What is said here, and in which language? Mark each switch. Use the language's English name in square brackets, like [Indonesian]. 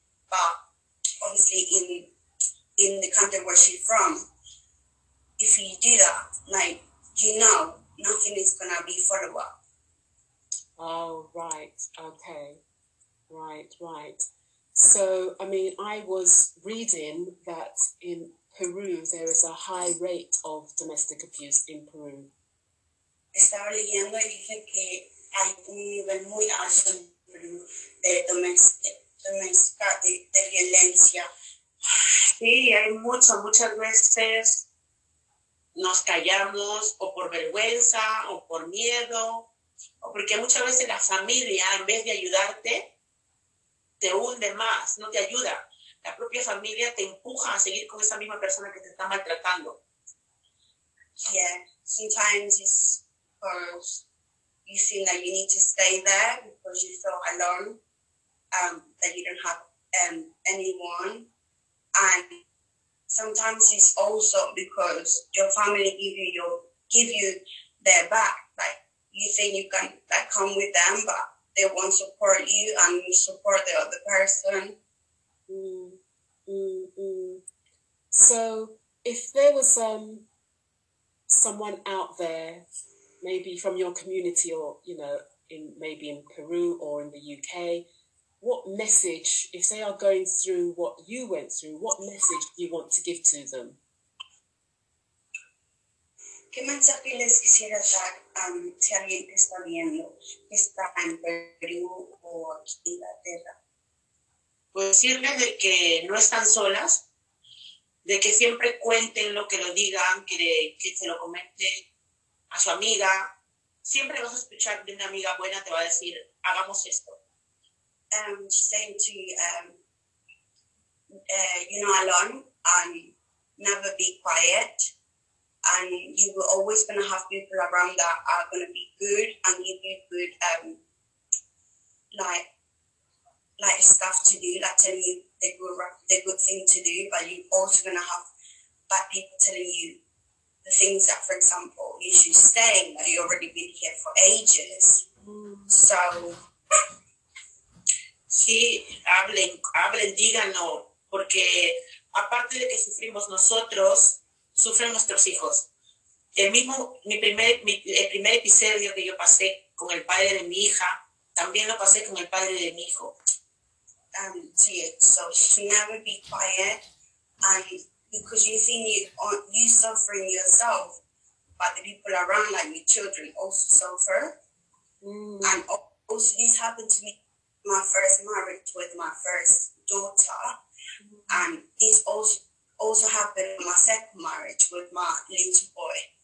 [English] But, obviously, in the country where she's from, if you do that, like, you know, nothing is going to be for a while. Oh, right. Okay. Right. So, I mean, I was reading that in Peru, there is a high rate of domestic abuse in Peru. [Spanish] Estaba leyendo y dije que hay un nivel muy alto en Perú de doméstica, de violencia. Sí, hay mucho, muchas veces nos callamos o por vergüenza o por miedo, o porque muchas veces la familia, en vez de ayudarte, te hunde más, no te ayuda. La propia familia te empuja a seguir con esa misma persona que te está maltratando. [English] Yeah, sometimes it's because you feel that you need to stay there because you feel alone, that you don't have anyone. And sometimes it's also because your family give you their back. Like you think you can like come with them, but they won't support you and support the other person. So if there was someone out there, maybe from your community or, you know, in Peru or in the UK, what message, if they are going through what you went through, what message do you want to give to them? [Spanish] ¿Qué mensaje les quisiera dar si alguien que está viendo está en Perú o aquí en Inglaterra? Pues decirles de que no están solas, de que siempre cuenten lo que lo digan, que se lo comenten a su amiga. Siempre vas a escuchar de una amiga buena, te va a decir, hagamos esto. [English] She's saying to you're not alone and never be quiet. And you will always gonna have people around that are gonna be good and give you good like stuff to do, like telling you the good thing to do, but you're also gonna have bad people telling you the things that, for example, you should stay, but you've already been here for ages. So [Spanish] sí, hablen, díganlo, porque aparte de que sufrimos nosotros, sufren nuestros hijos. El primer episodio que yo pasé con el padre de mi hija, también lo pasé con el padre de mi hijo. [English] Sí, so never be quiet, and because you think you suffering yourself, but the people around, like your children, also suffer. And also this happened to me. My first marriage with my first daughter, and this also happened in my second marriage with my little boy.